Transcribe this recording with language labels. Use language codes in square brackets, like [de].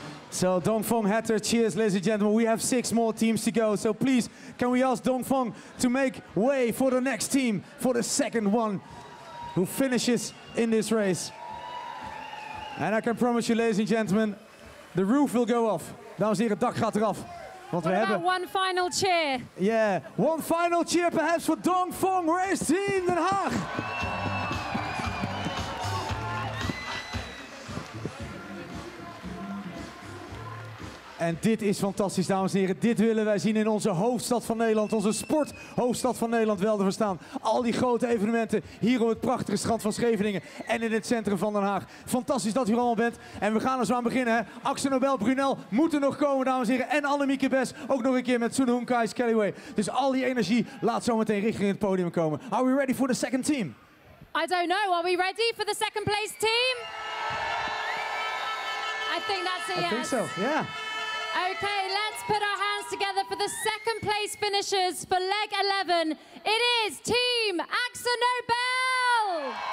[en] So Dongfeng had her cheers, ladies and gentlemen. We have six more teams to go. So please, can we ask Dongfeng to make way for the next team, for the second one who finishes in this race. And I can promise you, ladies and gentlemen, the roof will go off. [nl] Dames en heren, het dak gaat eraf. Want we hebben [en] one final cheer. Yeah, one final cheer perhaps for Dongfeng Race Team Den Haag. [nl] En dit is fantastisch, dames en heren. Dit willen wij zien in onze hoofdstad van Nederland. Onze sporthoofdstad van Nederland wel te verstaan. Al die grote evenementen hier op het prachtige strand van Scheveningen. En in het centrum van Den Haag. Fantastisch dat u er allemaal bent. En we gaan er zo aan beginnen. Hè? Axel Nobel, Brunel moeten nog komen, dames en heren. En Annemieke Bes ook nog een keer met Sunhoon Kais Kellyway. Dus al die energie laat zo meteen richting het podium komen. [en] Are we ready for the second team? I don't know. Are we ready for the second place team? I think that's a yes. I think so, yeah. Okay, let's put our hands together for the second place finishers for leg 11. It is Team Axel Nobel!